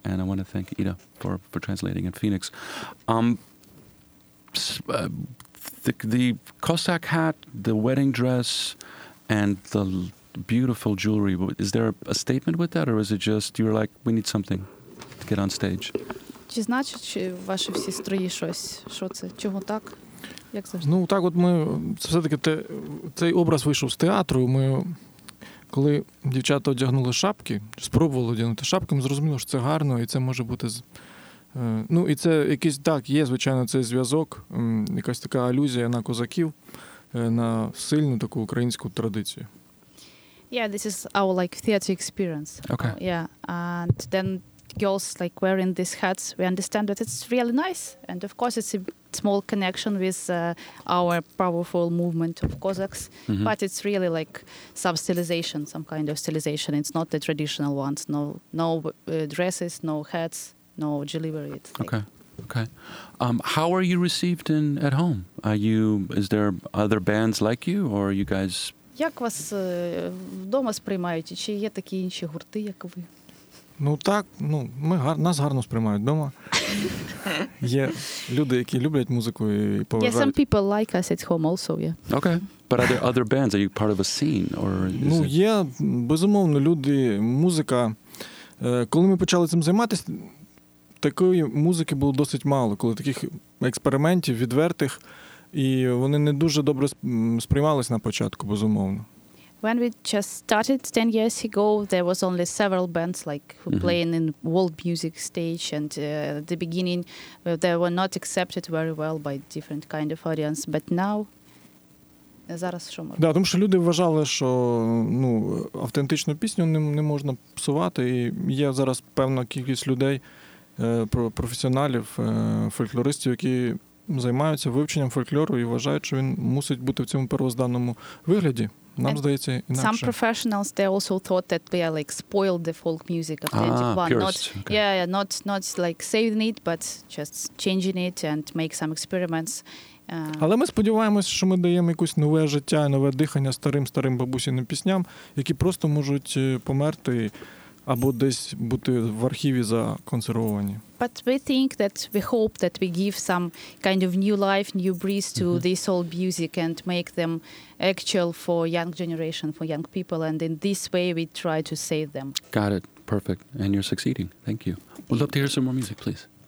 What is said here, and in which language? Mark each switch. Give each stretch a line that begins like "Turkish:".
English: And I want to thank Ida for translating in Phoenix. The Cossack hat, the wedding dress, and the beautiful jewelry. Is there a statement with that, or is it just you're like, we need something to get on stage?
Ukrainian: Чи значить, чи ваші всі строї щось? Що це? Чому так? Як завжди? Ну, так от ми... Це все-таки цей образ вийшов з театру. Ми, коли дівчата одягнули шапки, спробували одягнути шапки, ми зрозуміли, що це гарно, і це може бути... Ну, і це якийсь, так, є, звичайно, цей зв'язок, якась така алюзія на козаків, на сильну таку українську традицію.
English: Yeah, this is our, like, theater experience. Okay. Yeah, and then girls, like, wearing these hats, we understand that it's really nice, and of course it's a small connection with our powerful movement of Cossacks, mm-hmm. but it's really, like, some stylization, some kind of stylization. It's not the traditional ones, no dresses, no hats. No, delivery. It's like. Okay. How are you received in at home? Are you? Is there other bands like you, or are you guys?
Ukrainian: Як вас вдома сприймають? Чи є такі інші гурти, як ви? Ну так. Ну ми нас гарно сприймають вдома. Є люди, які люблять музику і поважають.
English: Yeah, some people like us at home also. Yeah. Okay. But are there other bands? Are you part of a scene, or?
Ukrainian: Ну є безумовно люди, музика. Коли ми почали цим займатися. Такої музики було досить мало, коли таких експериментів відвертих І вони не дуже добре сприймались на початку, безумовно.
English: When we just started 10 years ago, there was only several bands like who mm-hmm. playing in world music stage, and at the beginning they were not accepted very well by different kind of audience, but now
Ukrainian: зараз що можна? Да, тому що люди вважали, що, ну, автентичну пісню не можна псувати, і є зараз певна кількість людей, професіоналів, фольклористів, які займаються вивченням фольклору і вважають, що він мусить бути в цьому первозданному вигляді. Нам and здається інакше.
English: Some professionals they also thought that we are like spoiled the folk music of 21. Not okay. not like saving it, but just changing it and make some experiments.
Ukrainian: Але ми сподіваємось, що ми даємо якусь нове життя, нове дихання старим бабусіним пісням, які просто можуть померти або десь бути в архіві законсервовані.
English: But we think that we hope that we give some kind of new life, new breeze to mm-hmm. this old music and make them actual for young generation, for young people, and in this way we try to save them. Got it. Perfect. And you're succeeding. Thank you. We'd love to hear some more music, please.